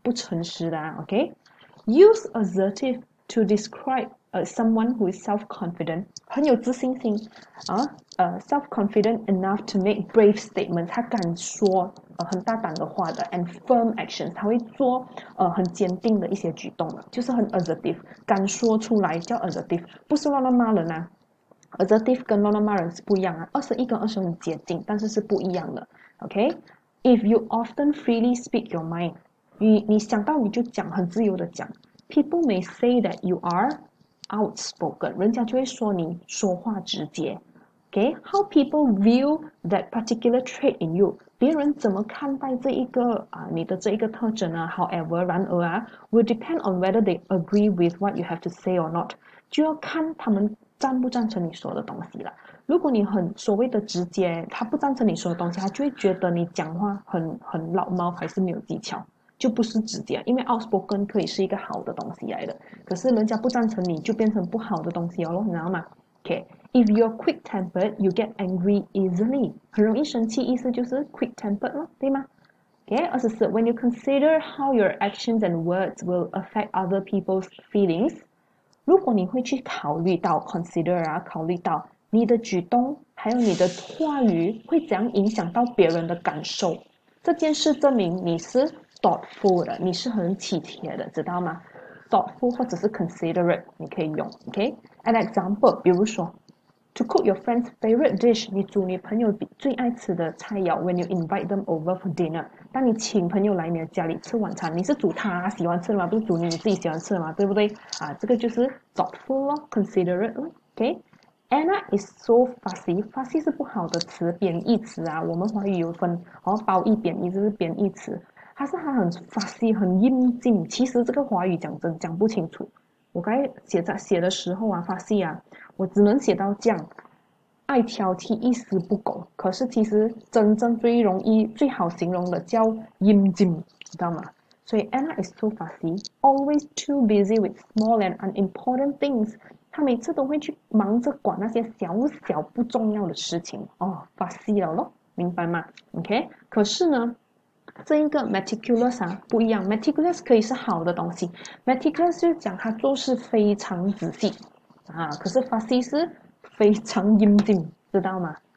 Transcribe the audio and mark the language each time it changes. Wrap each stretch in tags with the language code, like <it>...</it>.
<zh>不诚实的啊，OK？</zh> <en>Use assertive to describe someone who is self-confident，</en> <zh>很有自信心啊，</zh> <en>self-confident enough to make brave statements，</en> <zh>他敢说很大胆的话的，</zh> <en>and firm actions，</en> <zh>他会做很坚定的一些举动的，就是很 assertive，敢说出来叫 assertive，不是乱乱骂人啊。 Assertive 跟乱乱骂人是不一样啊，21跟20很接近，但是是不一样的。</zh> <en>OK，if you often freely speak your mind，</en> <zh>你想到你就讲，很自由的讲。</zh> <en>People may say that you are outspoken，</en> <zh>人家就会说你说话直接。</zh> <en>OK，how people view that particular trait in you，</en> <zh>别人怎么看待这一个你的这一个特征呢？</zh> <en>However，</en> <zh>然而啊，</zh> <en>will depend on whether they agree with what you have to say or not，</en> <zh>就要看他们。赞不赞成你说的东西了？如果你很所谓的直接，他不赞成你说的东西，他就会觉得你讲话很老猫，还是没有技巧，就不是直接。因为 outspoken 可以是一个好的东西来的，可是人家不赞成你就变成不好的东西哦，你知道吗？OK，</zh> <en>if you're quick tempered, you get angry easily，</en> <zh>很容易生气，意思就是</zh> <en>quick tempered</en> <zh>咯，对吗？OK，24，</zh> <en>when you consider how your actions and words will affect other people's feelings。</en> <zh>如果你会去考虑到 consider 啊，考虑到你的举动还有你的话语会怎样影响到别人的感受，这件事证明你是 thoughtful 的，你是很体贴的，知道吗？thoughtful 或者是 considerate 你可以用，OK？</zh> <en>An example，</en> <zh>比如说，</zh> <en>to cook your friend's favorite dish，</en> <zh>你煮你朋友最爱吃的菜肴，</zh> <en>when you invite them over for dinner，</en> <zh>当你请朋友来你的家里吃晚餐，你是煮他喜欢吃的吗？不是煮你自己喜欢吃的吗？对不对？这个就是 thoughtful 咯，considerate 咯，OK？</zh> <en>Anna is so fussy，</en> <zh>fussy 是不好的词，贬义词啊。我们华语有分，褒义、贬义，这是贬义词。他很 fussy，很应景。其实这个华语讲真讲不清楚。我刚才写的时候啊，fussy 啊，我只能写到这样，爱挑剔，一丝不苟。可是其实真正最容易、最好形容的叫应景，知道吗？</zh> <en>所以 Anna is too fussy，always too busy with small and unimportant things。</en> <zh>她每次都会去忙着管那些小小不重要的事情哦，fussy 了咯，明白吗？OK，可是呢，这一个 meticulous 啊不一样，meticulous 可以是好的东西，meticulous 就讲他做事非常仔细啊，可是 fussy 是非常应景，知道吗？</zh>